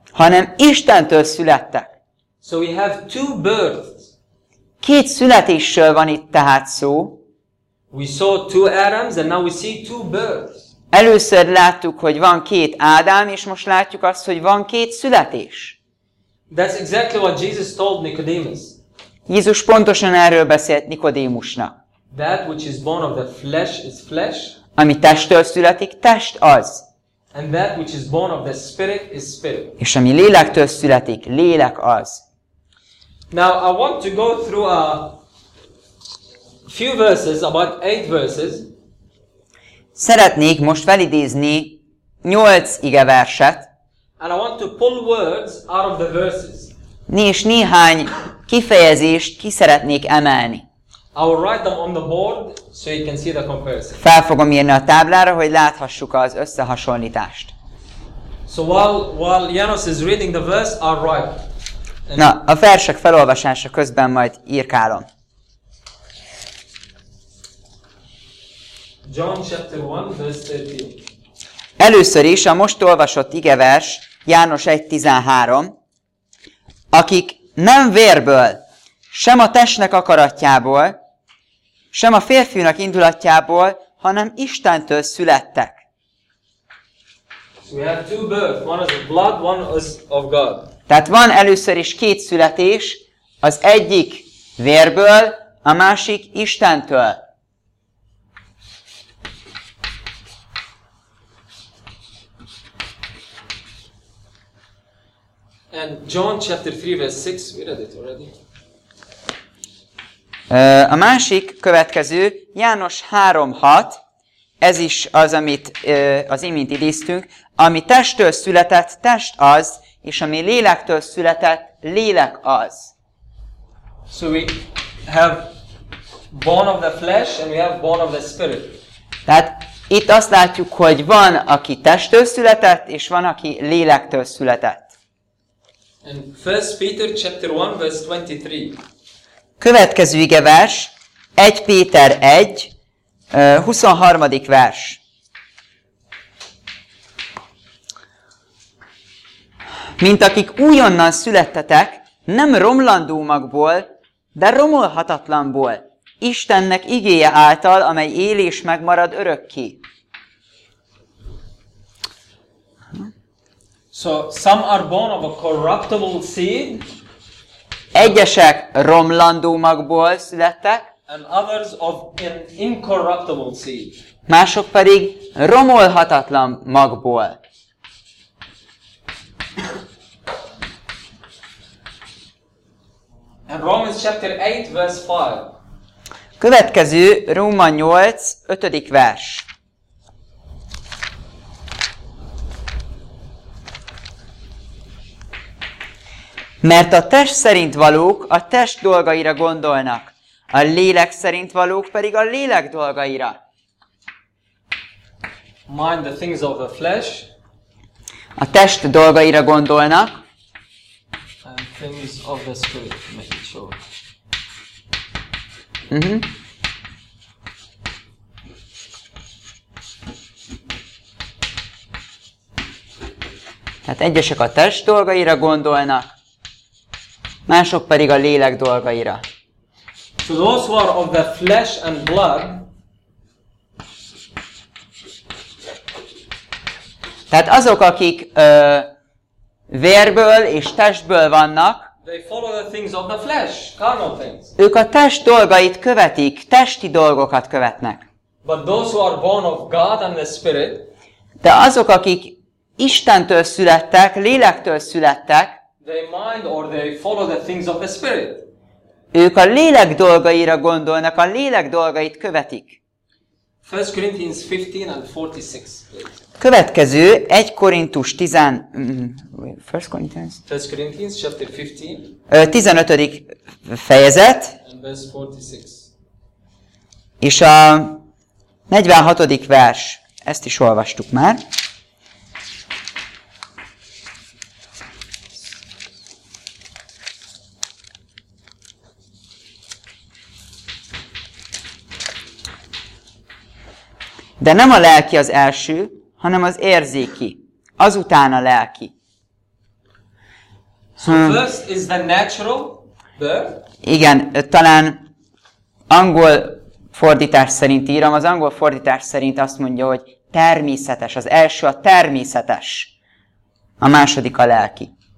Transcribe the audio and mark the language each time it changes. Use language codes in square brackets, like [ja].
[hu] Hanem Istentől születtek. [en] So we have two births. [hu] Két születésről van itt tehát szó. [en] We saw two Adams and now we see two births. [hu] Először láttuk, hogy van két Ádám, és most látjuk azt, hogy van két születés. [en] That's exactly what Jesus told Nicodemus. [hu] Jézus pontosan erről beszélt Nikodémusnak. [en] That which is born of the flesh is flesh. [hu] Ami testtől születik, test az. [en] And that which is born of the spirit is spirit. [hu] És ami lélektől születik, lélek az. [en] Now I want to go through a few verses, about 8 verses. [hu] Szeretnék most felidézni 8 igeverset. [en] And I want to pull words out of the verses. [hu] És néhány kifejezést ki szeretnék emelni. [en] I will write them on the board so you can see the comparison. [hu] Fel fogom írni a táblára, hogy láthassuk az összehasonlítást. [en] So while Janos is reading the verse, I'll write. [hu] Na, a versek felolvasása közben majd írkálom. [en] John chapter 1 verse 13. [hu] Először is a most olvasott igevers János 1:13, akik nem vérből, sem a testnek akaratjából, sem a férfiúnak indulatjából, hanem Istentől születtek. [en] So we have two births, one is of blood, one is of God. [hu] Tehát van először is két születés, az egyik vérből, a másik Istentől. [en] And John chapter 3 verse 6, we read it already. [hu] A másik következő, János 3:6, ez is az, amit az imént idéztünk, ami testtől született, test az, és ami lélektől született, lélek az. [en] So we have born of the flesh and we have born of the spirit. [hu] Tehát itt azt látjuk, hogy van, aki testtől született, és van, aki lélektől született. [en] And 1 Peter chapter 1 verse 23. [hu] Következő igevers, 1 Péter 1, 23. vers. Mint akik újonnan születtetek, nem romlandó magból, de romolhatatlanból, Istennek igéje által, amely él és megmarad örökké. [en] So, some are born of a corruptible seed. [hu] Egyesek romlandó magból születtek. [en] and others of an incorruptible seed. [hu] Mások pedig romolhatatlan magból. [en] And Romans chapter 8 verse 5. [hu] Következő Róma 8, 5. vers. Mert a test szerint valók a test dolgaira gondolnak, a lélek szerint valók pedig a lélek dolgaira. [en] Mind the things of the flesh. [hu] A test dolgaira gondolnak. [en] And things of the spirit, make it short. [hu] Tehát egyesek a test dolgaira gondolnak. Mások pedig a lélek dolgaira. [en] So those who are of the flesh and blood. [hu] Tehát azok, akik vérből és testből vannak. [en] They follow the things of the flesh, carnal things. [hu] Ők a test dolgait követik, testi dolgokat követnek. [en] But those who are born of God and the Spirit. [hu] De azok, akik Istentől születtek, lélektől születtek. [en] They mind or they follow the things of the spirit. [hu] Ők a lélek dolgaira gondolnak, a lélek dolgait követik. [en] 1 Corinthians 15 and 46. Please. [hu] Következő 1 Korintus 10 First Corinthians. [en] 1 Corinthians chapter 15. [hu] 15. fejezet. [en] And verse 46. [hu] És a 46. vers. Ezt is olvastuk már. De nem a lelki az első, hanem az érzéki, azután a lelki. [en] So first is the natural birth. [hu] Igen, talán angol fordítás szerint írom, az angol fordítás szerint azt mondja, hogy természetes, az első a természetes, a második a lelki.